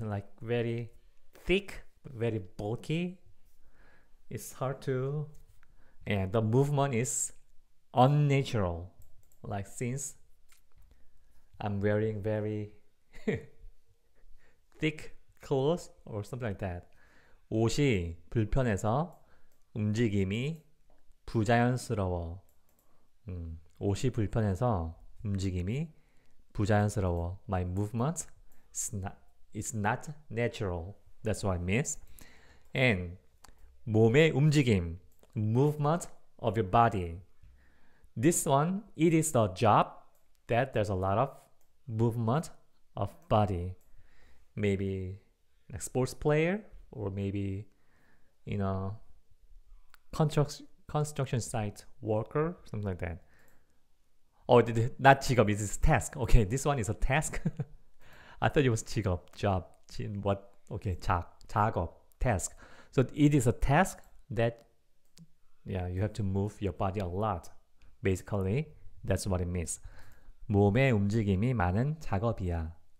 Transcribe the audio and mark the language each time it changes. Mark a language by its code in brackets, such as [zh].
[en] Like very thick, very bulky. It's hard to, and the movement is unnatural. Like since I'm wearing very thick clothes or something like that. [ko] 옷이 불편해서 움직임이 부자연스러워. 옷이 불편해서 움직임이 부자연스러워. [en] My movement is not natural. That's what it means. And [ko] 몸의 움직임, [en] movement of your body. This one, it is the job that there's a lot of movement of body. Maybe a sports player or maybe in a construction site worker, something like that. Oh, not 직업, it is task. Okay, this one is a task. I thought it was 직업, job. What? Okay, 작업, task. So it is a task that, yeah, you have to move your body a lot. Basically, that's what it means. [ko] 몸의 움직임이 많은 작업이야.